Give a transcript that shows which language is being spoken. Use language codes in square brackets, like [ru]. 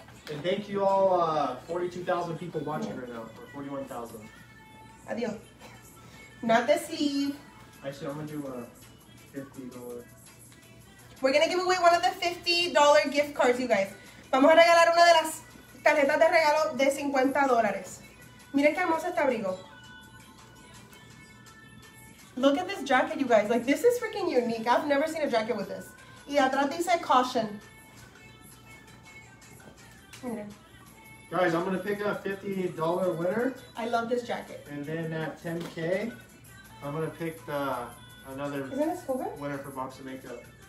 [en] And thank you all, 42,000 people watching right now, or 41,000. Adiós. Not the sleeve. Actually, I'm gonna do a $50. We're gonna give away one of the $50 gift cards, you guys. [es] Vamos a regalar una de las tarjetas de regalo de $50. Miren qué hermoso este abrigo. [en] Look at this jacket, you guys. Like, this is freaking unique. I've never seen a jacket with this. [es] Y atrás dice [en] caution. Guys, I'm gonna pick a $50 winner. I love this jacket. And then at 10K, I'm gonna pick another winner for box of makeup.